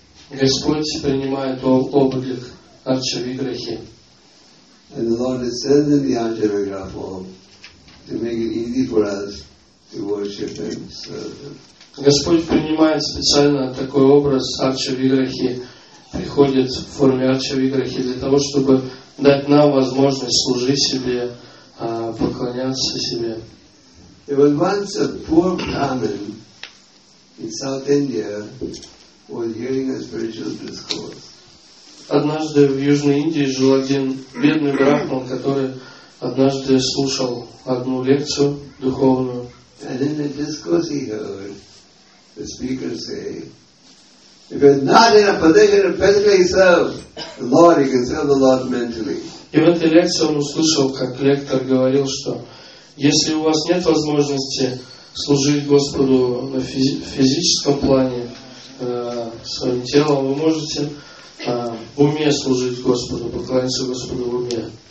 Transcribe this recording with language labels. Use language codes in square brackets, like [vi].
[ru] Господь принимает облик Арчавиграхи. [en] And the Lord has sent in the Arjavigraha form to make it easy for us to worship Him. [ru] Господь принимает специально такой образ Арчавиграхи, приходит в форме Арчавиграхи для того, чтобы дать нам возможность служить себе, поклоняться себе. [en] There was once a poor Brahmin in South India was hearing a spiritual discourse. [ru] Однажды в Южной Индии жил один бедный брахман, который однажды слушал одну лекцию духовную. [en] And in the discourse he heard the speaker say, if you're not in a position to physically serve the Lord, you can serve the Lord mentally. [ru] И в этой лекции он услышал, как лектор говорил, что если у вас нет возможности служить Господу на физическом плане своим телом, вы можете в уме служить Господу, поклониться Господу в уме.